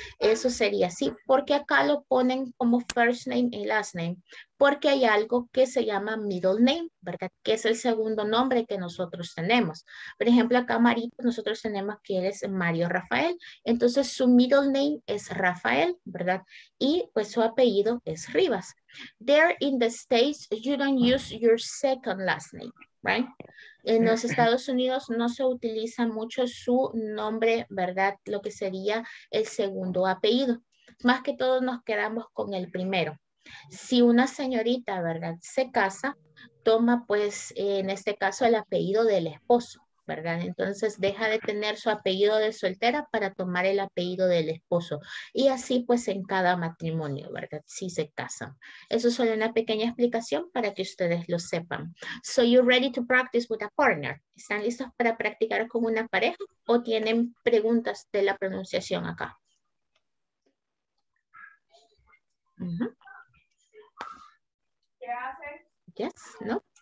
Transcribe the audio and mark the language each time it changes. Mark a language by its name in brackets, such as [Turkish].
[Spanish] Eso sería así, porque acá lo ponen como first name y last name, porque hay algo que se llama middle name, ¿verdad? Que es el segundo nombre que nosotros tenemos. Por ejemplo, acá Marito, nosotros tenemos que él es Mario Rafael, entonces su middle name es Rafael, ¿verdad? Y pues su apellido es Rivas. [English] There in the States, you don't use your second last name. Right. [Spanish] En los Estados Unidos no se utiliza mucho su nombre, ¿verdad? Lo que sería el segundo apellido. Más que todo nos quedamos con el primero. Si una señorita, ¿verdad? Se casa, toma pues en este caso el apellido del esposo, ¿verdad? Entonces deja de tener su apellido de soltera para tomar el apellido del esposo. Y así pues en cada matrimonio, ¿verdad? Si se casan. Eso es solo una pequeña explicación para que ustedes lo sepan. [English] So you ready to practice with a partner? [Spanish] ¿Están listos para practicar con una pareja o tienen preguntas de la pronunciación acá? ¿Qué hace? [English] Yes, no.